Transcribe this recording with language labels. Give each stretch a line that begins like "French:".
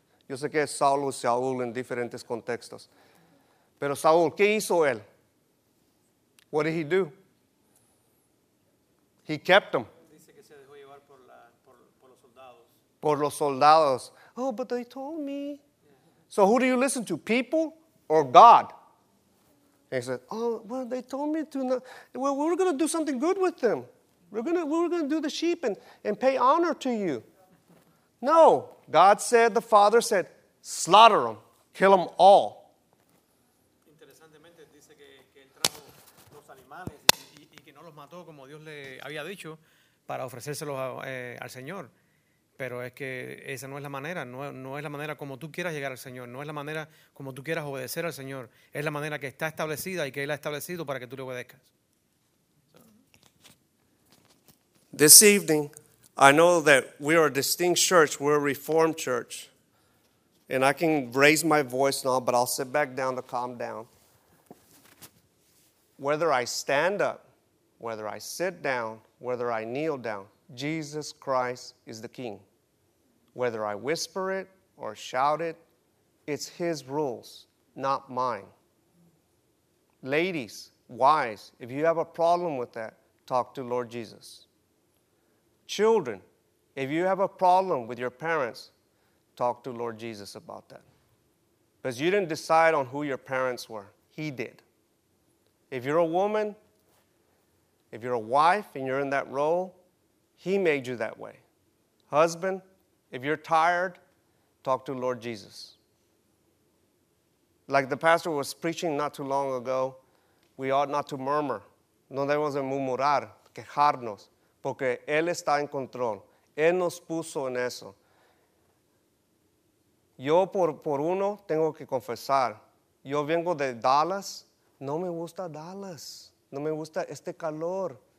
Spanish: Yo sé que es Saulo y Saul en diferentes contextos. Pero Saul, ¿qué hizo él?
English: What did he do? He kept them.
Spanish: Dice que se dejó llevar por los soldados. Por los soldados.
English: Oh, but they told me. Yeah. So who do you listen to, people or God? And he said, oh, well, they told me to not. Well, we were going to do something good with them. We were going to do the sheep and pay honor to you. No, God said, the Father said, slaughter them, kill them all.
Spanish: Interesantemente dice que él trajo los animales y que no los mató como Dios le había dicho para ofrecérselos al Señor. Pero es que esa no es la manera, no es la manera como tú quieras llegar al Señor, no es la manera como tú quieras obedecer al Señor, es la manera que está establecida y que Él ha establecido para que tú le obedezcas.
English: This evening, I know that we are a distinct church, we're a Reformed church, and I can raise my voice now, but I'll sit back down to calm down. Whether I stand up, whether I sit down, whether I kneel down, Jesus Christ is the King. Whether I whisper it or shout it, it's His rules, not mine. Ladies, wives, if you have a problem with that, talk to Lord Jesus. Children, if you have a problem with your parents, talk to Lord Jesus about that. Because you didn't decide on who your parents were. He did. If you're a woman, if you're a wife and you're in that role, He made you that way. Husband, if you're tired, talk to Lord Jesus. Like the pastor was preaching not too long ago, we ought not to murmur.
Spanish: No debemos de murmurar, quejarnos, porque Él está en control. Él nos puso en eso. Yo por uno tengo que confesar. Yo vengo de Dallas. No me gusta Dallas. No me gusta este calor.